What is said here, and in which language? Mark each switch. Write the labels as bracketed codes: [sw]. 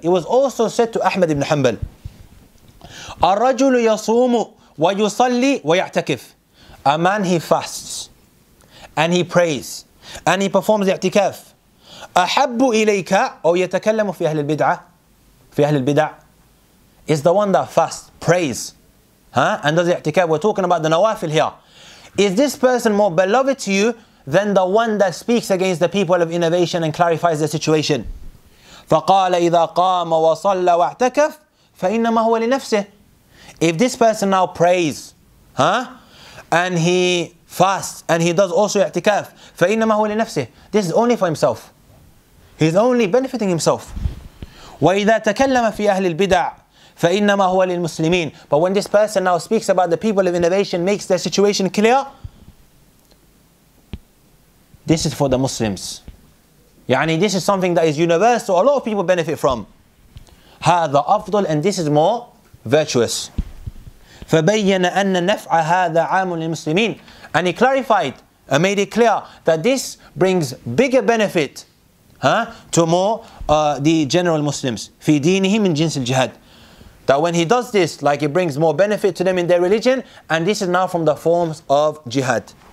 [en] It was also said to Ahmad ibn Hanbal. [ar] الرجل يصوم ويصلي ويعتكف. [en] A man, he fasts and he prays and he performs اعتكاف. [ar] أحب إليك أو يتكلم في أهل البدعة. في أهل البدعة. [en] Is the one that fasts, prays, huh? And does اعتكاف. We're talking about the nawafil here. Is this person more beloved to you than the one that speaks against the people of innovation and clarifies the situation? [ar] فقال إذا قام وصلى واعتكف فإنما هو لنفسه. [en] If this person now prays, huh? And he fasts and he does also i'tikaf, [ar] فإنما هو لنفسه. [en] This is only for himself. He's only benefiting himself. [ar] وإذا تكلم في أهل البدع فإنما هو للمسلمين. [en] But when this person now speaks about the people of innovation, makes their situation clear, this is for the Muslims. يعني this is something that is universal, a lot of people benefit from. [ar] هذا أفضل [en] and this is more virtuous. [ar] فبين أن نفع هذا عام للمسلمين. [en] And he clarified and made it clear that this brings bigger benefit to more the general Muslims. [ar] في دينهم من جنس الجهاد. [en] That when he does this, like it brings more benefit to them in their religion, and this is now from the forms of jihad.